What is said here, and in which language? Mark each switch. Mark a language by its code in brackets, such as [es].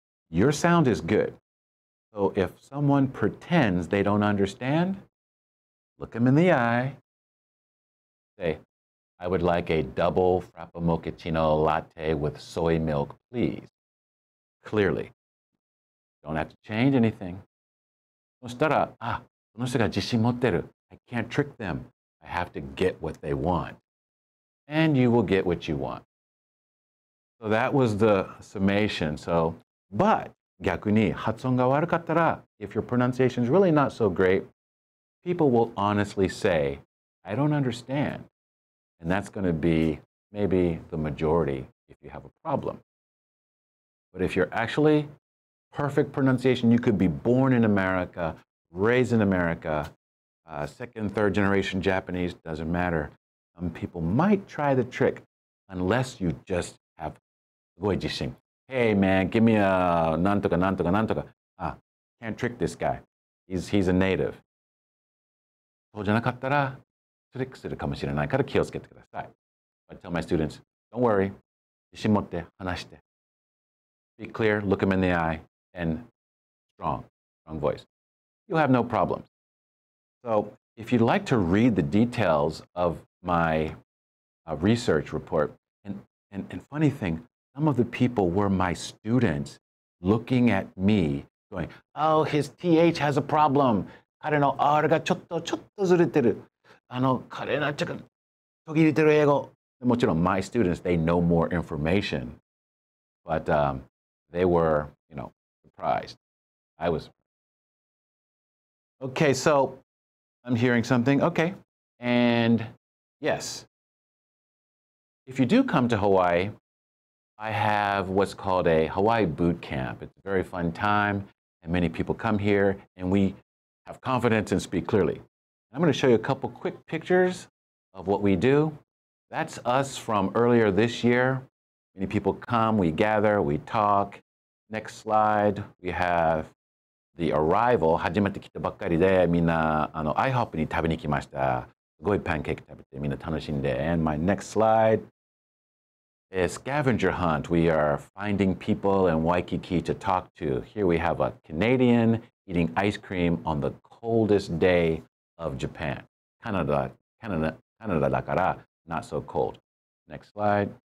[en] Your sound is good. So if someone pretends they don't understand, look them in the eye, say, I would like a double frappe mochaccino latte with soy milk, please. Clearly. Don't have to change anything. [ja] そしたら、あ、この人が自信持ってる。 [en] I can't trick them. I have to get what they want. And you will get what you want. So that was the summation. So, but [ja] 逆に発音が悪かったら、 [en] if your pronunciation is really not so great, people will honestly say, I don't understand. And that's going to be maybe the majority if you have a problem. But if you're actually perfect pronunciation, you could be born in America, raised in America, second, third generation Japanese, doesn't matter. Some people might try the trick unless you just have [ja] すごい自信. [en] Hey man, give me a [ja] なんとかなんとかなんとか. [en] Ah, can't trick this guy. He's a native. [ja] そうじゃなかったらトリックするかもしれないから気をつけてください. [en] I tell my students, don't worry. [ja] 自信持って話して. [en] Be clear, look him in the eye, and strong voice. You'll have no problem. So if you'd like to read the details of my research report, and funny thing, some of the people were my students looking at me going, oh, his TH has a problem. [ja] 彼の R がちょっとずれてる。あの、彼のちょっと途切れてる英語。でもちろん [en] my students, they know more information, but they were, you know, surprised. I was okay, so I'm hearing something. Okay. And yes, if you do come to Hawaii, I have what's called a Hawaii boot camp. It's a very fun time, and many people come here, and we have confidence and speak clearly. And I'm going to show you a couple quick pictures of what we do. That's us from earlier this year. Many people come, we gather, we talk. Next slide, we have the arrival. [ja] 初めて来たばっかりで、みんなあの IHOP に食べに来ました。すごいパンケーキ食べて、みんな楽しんで。 [en] And my next slide is scavenger hunt. We are finding people in Waikiki to talk to. Here we have a Canadian eating ice cream on the coldest day of Japan. Canada [ja] だから [en] not so cold. Next slide.